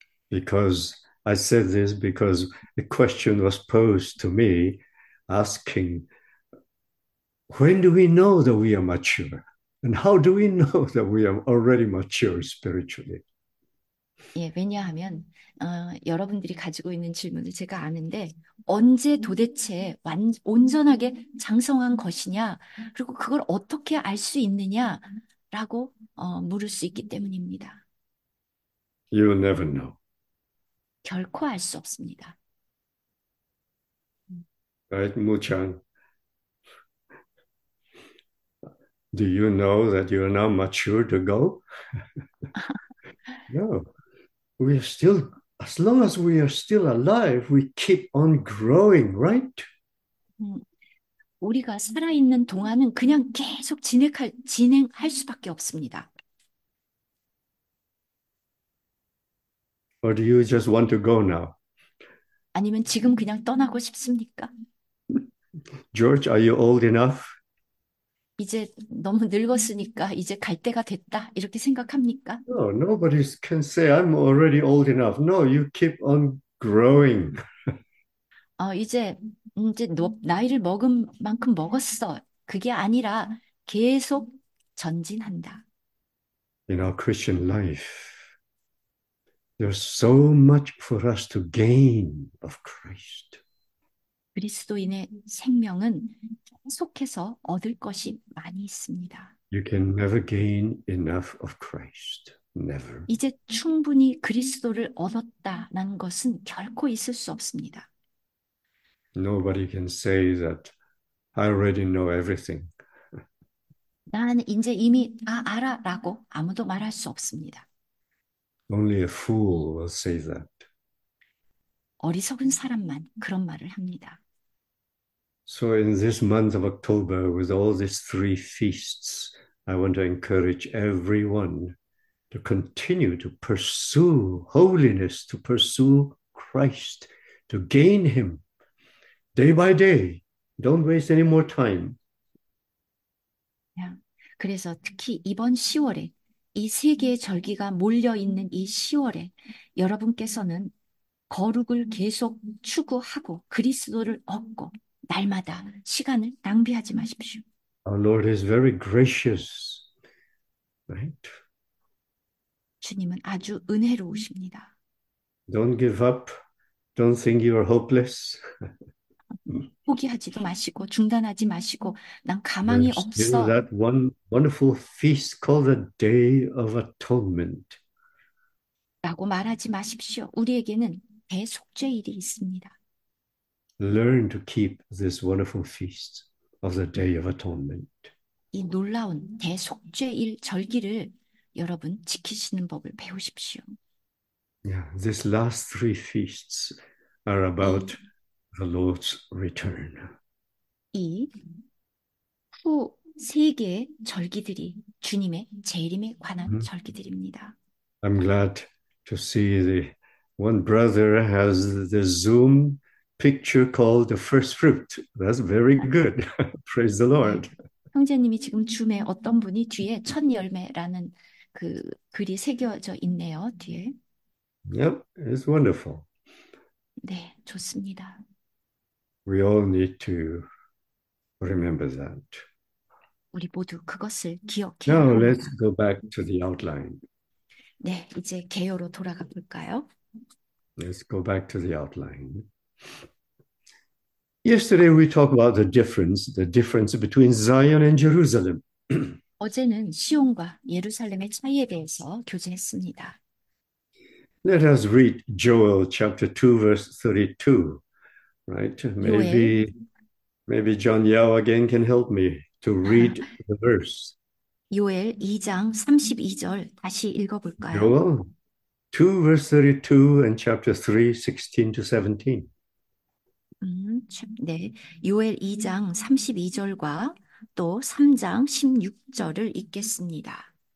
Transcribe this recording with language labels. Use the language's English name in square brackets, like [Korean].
[English] Because I said this because a question was posed to me asking, when do we know that we are mature? And how do we know that we are already mature spiritually? [Korean] 예, 왜냐하면 여러분들이 가지고 있는 질문을 제가 아는데 언제 도대체 온전하게 장성한 것이냐 그리고 그걸 어떻게 알수 있느냐라고 물을 수 있기 때문입니다. [English] You will never know. [Korean] 결코 알수 없습니다. [English] Right, Muchan? Do you know that you're not mature to go? No, we are still, as long as we are still alive, we keep on growing, right? [Korean] 우리가 살아있는 동안은 그냥 계속 진행할 수밖에 없습니다. [English] Or do you just want to go now? [Korean] 아니면 지금 그냥 떠나고 싶습니까? [English] George, are you old enough? [Korean] 이제 너무 늙었으니까 이제 갈 때가 됐다, 이렇게 생각합니까? [English] No, nobody can say I'm already old enough. No, you keep on growing. [Korean] 이제 나이를 먹은 만큼 먹었어. 그게 아니라 계속 전진한다. [English] In our Christian life, there's so much for us to gain of Christ. [Korean] 그리스도인의 생명은 계속해서 얻을 것이 많이 있습니다. [English] You can never gain enough of Christ. Never. [Korean] 이제 충분히 그리스도를 얻었다는 것은 결코 있을 수 없습니다. [English] Nobody can say that I already know everything. [Korean] 나는 이제 이미 다 알아라고 아무도 말할 수 없습니다. [English] Only a fool will say that. [Korean] 어리석은 사람만 그런 말을 합니다. [English] So, in this month of October, with all these three feasts, I want to encourage everyone to continue to pursue holiness, to pursue Christ, to gain Him day by day. Don't waste any more time. [Korean] 그래서 특히 이번 10월에 이세 개의 절기가 몰려 있는 이 10월에 여러분께서는 거룩을 계속 추구하고 그리스도를 얻고 날마다 시간을 낭비하지 마십시오. [English] Our Lord is very gracious, right? [Korean] 주님은 아주 은혜로우십니다. [English] Don't give up. Don't think you are hopeless. [Korean] 포기하지도 마시고 중단하지 마시고 난 가망이 [English] There's still [Korean] 없어. [English] that one wonderful feast called the Day of Atonement. [Korean] 라고 말하지 마십시오. 우리에게는 대속죄일이 있습니다. [English] Learn to keep this wonderful feast of the Day of Atonement. [Korean] 이 놀라운 대속죄일 절기를 여러분 지키시는 법을 배우십시오. [English] Yeah, these last three feasts are about the Lord's return. [Korean] 이후세 개의 절기들이 주님의 재림에 관한 절기들입니다. [English] I'm glad to see the one brother has the Zoom picture called the first fruit. That's very good. Praise the [Korean] 네, [English] Lord. [Korean] 형제님이 지금 줌에 어떤 분이 뒤에 첫 열매라는 그 글이 새겨져 있네요, 뒤에. [English] Yep, it's wonderful. [Korean] 네, 좋습니다. [English] We all need to remember that. [Korean] 우리 모두 그것을 기억해야 [English] Now let's [Korean] 합니다. [English] go back to the outline. [Korean] 네, 이제 개요로 돌아가 볼까요? [English] Let's go back to the outline. Yesterday we talked about the difference between Zion and Jerusalem. [Korean] 어제는 시온과 예루살렘의 차이에 대해서 교제했습니다. [English] Let us read Joel chapter 2, verse 32. Right? Joel. Maybe John Yao again can help me to read the verse. [Korean] Joel 2장 32절 다시 읽어볼까요? [English] Joel 2, verse 32 and chapter 3, 16 to 17. [Korean] 네. Joel 2장 32절과 또 3장 16절을 읽겠습니다.